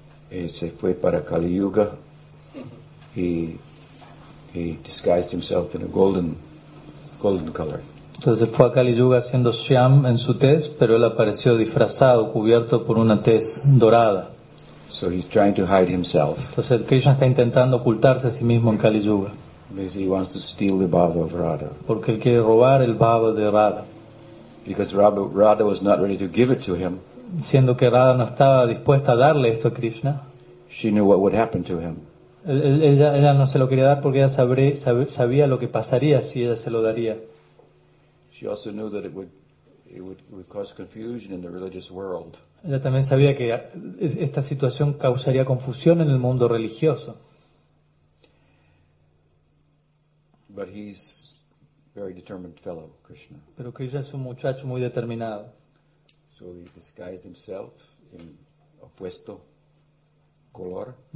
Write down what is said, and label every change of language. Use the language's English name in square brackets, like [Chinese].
[Spanish] Él se fue para Kali Yuga. [English] He disguised himself in a golden color. [Spanish] Entonces fue a Kali Yuga haciendo Shyam en su tez, pero él apareció disfrazado, cubierto por una tez dorada. [English] So he's trying to hide himself. [Spanish] Entonces Krishna está intentando ocultarse a sí mismo en Kali Yuga. [English] Because he wants to steal the bhava of Radha. [Spanish] Porque él quiere robar el bhava de Radha. [English] Because Radha was not ready to give it to him. [Spanish] Siendo que Radha no estaba dispuesta a darle esto a Krishna. [English] She knew what would happen to him. [Spanish] Ella no se lo quería dar porque ella sabía lo que pasaría si ella se lo daría. [English] She also knew that it would cause confusion in the religious world. [Spanish] Ella también sabía que esta situación causaría confusión en el mundo religioso. [English] But he's very determined fellow, Krishna. [Spanish] Pero Krishna es un muchacho muy determinado. [English] So he disguised himself in opuesto color.